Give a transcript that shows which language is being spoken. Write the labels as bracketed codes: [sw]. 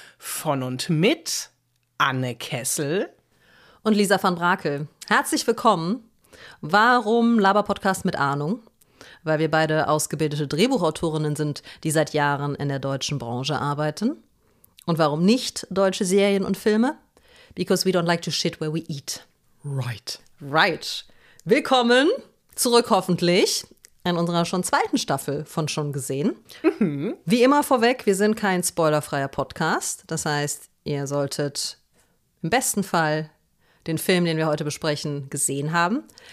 [de] Von und mit Anne Kessel und Lisa van Brakel. Herzlich willkommen. Warum Laber-Podcast mit Ahnung? Weil wir beide ausgebildete Drehbuchautorinnen sind, die seit Jahren in der deutschen Branche arbeiten. Und warum nicht deutsche Serien und Filme? [en] Because we don't like to shit where we eat. Right. Right. [de] Willkommen zurück hoffentlich in unserer schon zweiten Staffel von Schon gesehen. Mhm. Wie immer vorweg, wir sind kein spoilerfreier Podcast. Das heißt, ihr solltet im besten Fall den Film, den wir heute besprechen, gesehen haben.